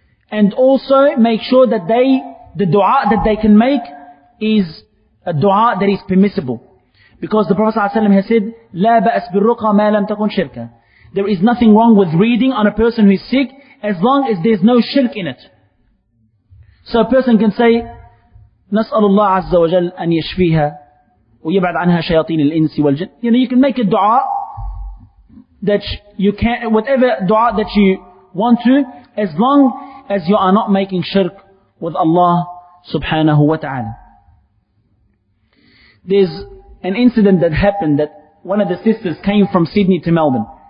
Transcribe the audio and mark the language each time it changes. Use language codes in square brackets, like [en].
[en] And also make sure that the dua that they can make is a dua that is permissible. Because the Prophet sallallahu alaihi wasallam has said, [ar] لَا بَأَسْ بِالرُّقَى مَا لَمْ تَكُنْ شِرْكَ. [en] There is nothing wrong with reading on a person who is sick as long as there's no shirk in it. So a person can say, [ar] نَسْأَلُ اللَّهُ عَزَّ وَجَلَّ أَنْ يَشْفِيهَا وَيَبْعَدْ عَنْهَا شَيَاطِينِ الْإِنْسِ وَالْجِنِّ. [en] You know, you can make a dua that you can, whatever dua that you want to, as long as you are not making shirk with Allah subhanahu wa ta'ala. There's an incident that happened that one of the sisters came from Sydney to Melbourne.